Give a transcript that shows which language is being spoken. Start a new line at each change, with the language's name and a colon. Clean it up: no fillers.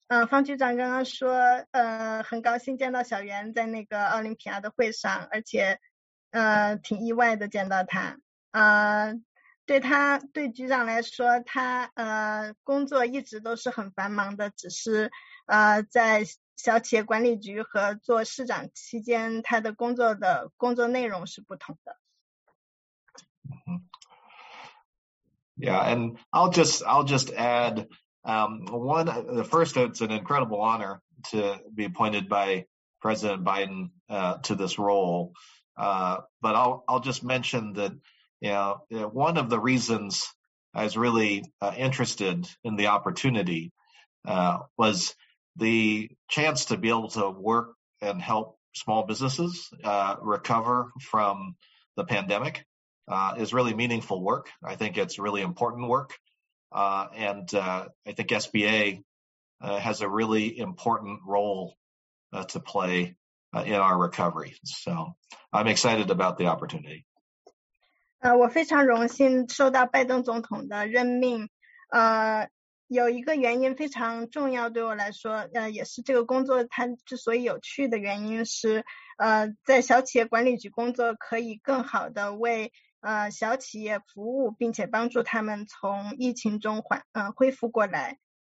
Chinese: 方局长刚刚说，很高兴见到小袁在那个奥林匹亚的会上，而且，挺意外的见到他。对局长来说，他工作一直都是很繁忙的，只是在小企业管理局和做市长期间，他的工作内容是不同的。
English: Yeah, and I'll just add the first, it's an incredible honor to be appointed by President Biden to this role. But I'll just mention that, one of the reasons I was really interested in the opportunity was. The chance to be able to work and help small businesses recover from the pandemic is really meaningful work. I think it's really important work. I think SBA has a really important role to play in our recovery. So I'm excited about the opportunity.
Chinese: 我非常荣幸受到拜登总统的任命。有一个原因非常重要对我来说，也是这个工作它之所以有趣的原因是，在小企业管理局工作可以更好的为小企业服务，并且帮助他们从疫情中恢复过来。